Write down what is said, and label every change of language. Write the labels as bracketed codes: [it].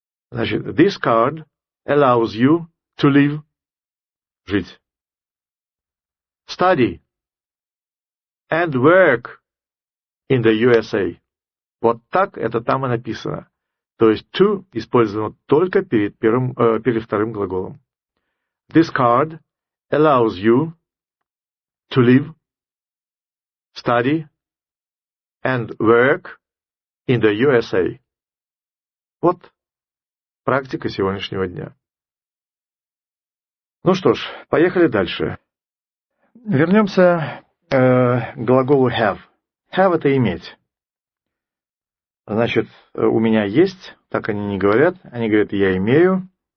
[ru] Значит, [en] this card allows you to live — жить. Study and work in the USA. [ru] Вот так это там и написано. То есть to использовано только перед вторым глаголом. [en] This card allows you to live, study and work in the USA. [ru] Вот практика сегодняшнего дня. Ну что ж, поехали дальше. Вернемся к глаголу have. Have — это иметь. Значит, у меня есть, так они не говорят. Они говорят, я имею.